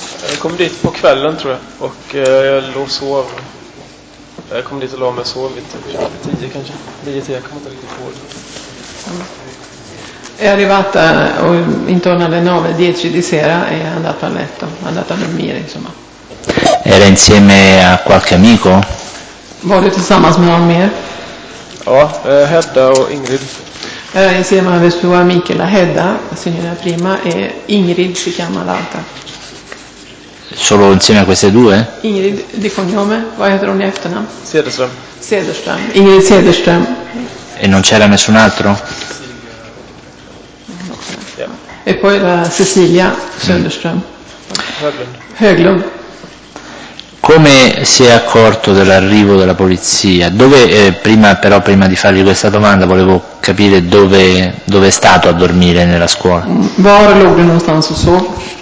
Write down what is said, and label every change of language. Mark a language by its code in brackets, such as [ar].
[sv] Jag kom dit på kvällen tror jag. Och jag låg och sov. Jag kom dit och la mig och sov. 10 kanske. 9-10, jag kom inte riktigt ihåg. [it] È arrivata intorno alle 9:10 di sera e è andata a letto, è andata a dormire, insomma. Era insieme a qualche amico? [sv] Var du tillsammans med någon mer? Ja, Hedda och Ingrid. [it] Insieme alle sue amiche, la Hedda, la signora prima, e Ingrid si chiama l'altra. Solo insieme a queste due? [sv] Ingrid [it] di cognome, [sv] vad heter hon i efternamn? Cederström. Cederström, Ingrid Cederström. [it] E non c'era nessun altro? E poi la Cecilia Sönderström. Höglund. Come si è accorto dell'arrivo della polizia? Dove prima di fargli questa domanda volevo capire dove è stato a dormire nella scuola. [sv] Var låg du någonstans och sov?